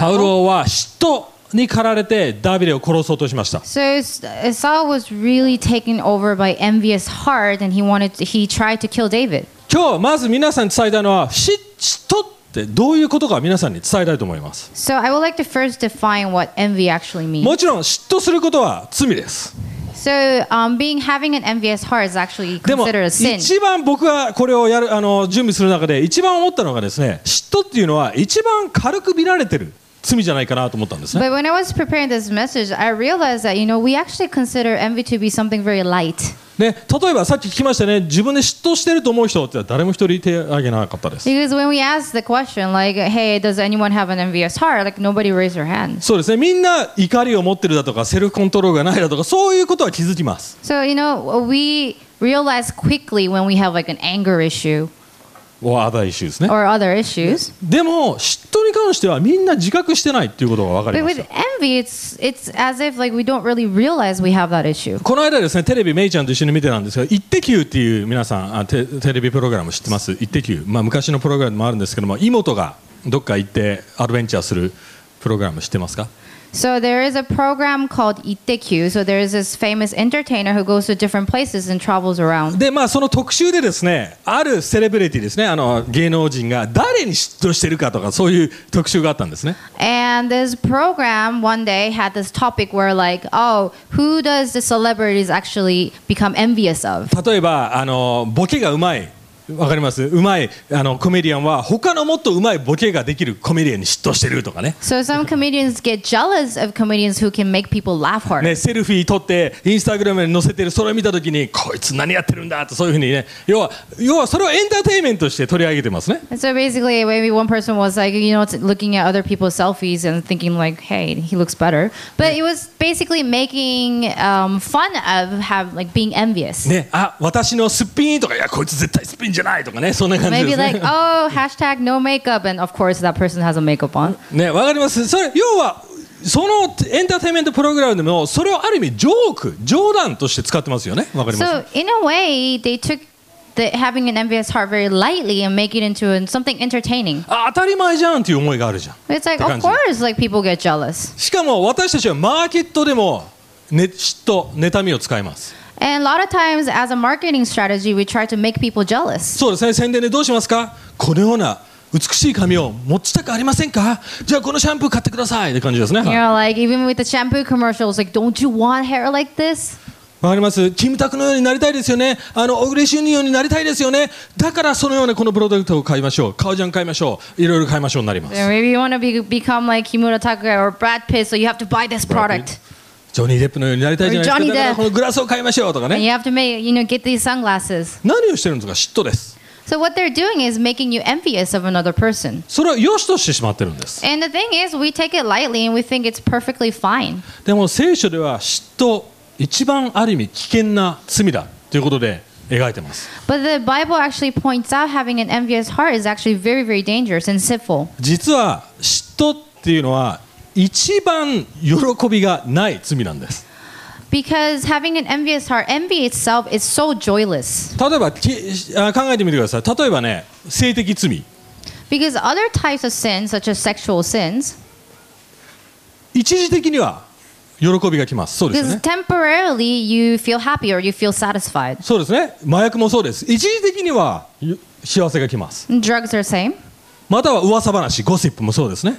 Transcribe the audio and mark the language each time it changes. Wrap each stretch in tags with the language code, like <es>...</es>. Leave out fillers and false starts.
<ja>サウル王は嫉妬に駆られてダビデを殺そうとしました。</ja> <en>So Saul was really taken over by envious heart and he tried to kill David.</en> <ja>今日まず皆さんに伝えたいのは嫉妬でどういうことか皆さんに伝えたいと思います。</ja> <en>So I would like to first define what envy actually means.</en> <ja>もちろん嫉妬することは罪です。</ja> <en>So having an envious heart is actually considered a sin.</en> <ja>でも一番僕がこれをやる準備する中で一番思ったのがですね、嫉妬っていうのは一番軽く見られてる罪じゃないかなと思ったんですね。</ja> <en>But when I was preparing this message, I realized that we actually consider envy to be something very light.</en> <ja>ね、例えばさっき聞きましたね、自分で嫉妬してると思う人って誰も一人手を挙げなかったです。</ja> <en>Because when we ask the question, like, hey, does anyone have an envious heart? Like, nobody raised their hand.</en> <ja>そうですね、みんな怒りを持ってるだとか、セルフコントロールがないだとか、そういうことは気づきます。</ja> <en>So, we realize quickly when we have like an anger issue. Or other issues,</en> <ja>ね。</ja> <en>Or other issues.</en> <ja>でも、嫉妬に関してはみんな自覚してないっていうことが分かりました。</ja> <en>But with envy, it's as if like we don't really realize we have that issue.</en> <ja>この間ですね、テレビメイちゃんと一緒に見てたんですが、イッテQっていう皆さんテレビプログラム知ってます？イッテQ。まあ昔のプログラムもあるんですけども、妹がどっか行ってアドベンチャーするプログラム知ってますか？</ja> <en>So there is a program called イッテQ. So there is this famous entertainer who goes to different places and travels around.</en> <ja>で、まあその特集でですね、あるセレブリティですね、あの芸能人が誰に嫉妬してるかとかそういう特集があったんですね。</ja> <en>And this program one day had this topic where like, oh, who does the celebrities actually become envious of?</en> <ja>例えばあのボケがうまい、わかります？うまいあのコメディアンは他のもっとうまいボケができるコメディアンに嫉妬してるとかね。</ja> <en>So some comedians get jealous of comedians who can make people laugh hard.</en> <ja>ね、セルフィー撮ってインスタグラムに載せてるそれを見たときにこいつ何やってるんだとそういうふうにね、要はそれをエンターテインメントとして取り上げてますね。</ja> <en>So basically, maybe one person was like, you know, looking at other people's selfies and thinking like, hey, he looks better. But it was basically making fun of have like being envious.</en> <ja>ね、あ、私のすっぴんとか、いやこいつ絶対すっぴんじゃないとかね、そんな感じですね。</ja> <en>Maybe like, oh, hashtag no makeup, and of course that person has a makeup on.</en> <ja>ね、わかります。それ要はそのエンターテインメントプログラムでもそれをある意味ジョーク、冗談として使ってますよね。わかります。</ja> <en>So in a way, they took the having an envious heart very lightly and make it into something entertaining.</en> <ja>当たり前じゃんっていう思いがあるじゃん。</ja> <en>It's like, of course, like people get jealous.</en> <ja>しかも私たちはマーケットでも嫉妬、妬みを使います。</ja> <en>And a lot of times, as a marketing strategy, we try to make people jealous.</en> <ja>そうですね。宣伝でどうしますか？このような美しい髪を持ちたくありませんか？じゃあこのシャンプー買ってくださいって感じですね。</ja> <en>You're like, even with the shampoo commercials, like, don't you want hair like this?</en> <ja>わかります。キムタクのようになりたいですよね。あのオグリシュニオになりたいですよね。だからそのようなこのプロダクトを買いましょう。カオジャン買いましょう。いろいろ買いましょうになります。</ja> <en>Yeah, maybe you want to become like Kimura Takuya or Brad Pitt, so you have to buy this product.</en> <ja>ジョニーデップのようになりたいじゃないですか。だからこのグラスを買いましょうとかね。</ja> <en>You have to make, you know, get these sunglasses.</en> <ja>何をしてるんですか？嫉妬です。</ja> <en>So what they're doing is making you envious of another person.</en> <ja>それは良しとしてしまってるんです。</ja> <en>And the thing is, we take it lightly and we think it's perfectly fine.</en> <ja>でも聖書では嫉妬一番ある意味危険な罪だということで描いてます。</ja> <en>But the Bible actually points out having an envious heart is actually very, very dangerous and sinful.</en> <ja>実は嫉妬っていうのは一番喜びがない罪なんです。</ja> <en>Because having an envious heart, envy itself is so joyless.</en> <ja>例えば、考えてみてください。例えばね、性的罪。</ja> <en>Because other types of sins, such as sexual sins,</en> <ja>一時的には喜びがきます。そうですね。</ja> <en>Because temporarily you feel happy or you feel satisfied.</en> <ja>そうですね。麻薬もそうです。一時的には幸せがきます。</ja> <en>Drugs are same.</en> <ja>または噂話、ゴシップもそうですね。</ja>